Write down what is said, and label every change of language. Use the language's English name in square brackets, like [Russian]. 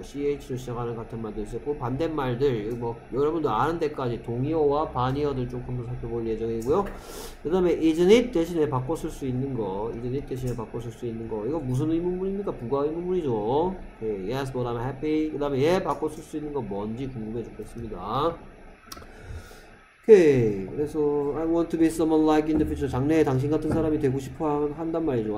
[Korean] CH로 시작하는 같은 말도 있었고 반대말들 뭐 여러분도 아는 데까지 동의어와 반의어들 조금 더 살펴볼 예정이고요. 그 다음에 [English] isn't it [Korean] 대신에 바꿔 쓸 수 있는 거 isn't it 대신에 바꿔 쓸 수 있는 거 이거 무슨 의문문입니까? 부가 의문문이죠. Okay. [English] Yes, but I'm happy. [Korean] 그 다음에 얘 바꿔 쓸 수 있는 거 뭔지 궁금해 죽겠습니다. 오케이. Okay. 그래서 [English] I want to be someone like in the future. [Korean] 장래에 당신 같은 사람이 되고 싶어 한단 말이죠.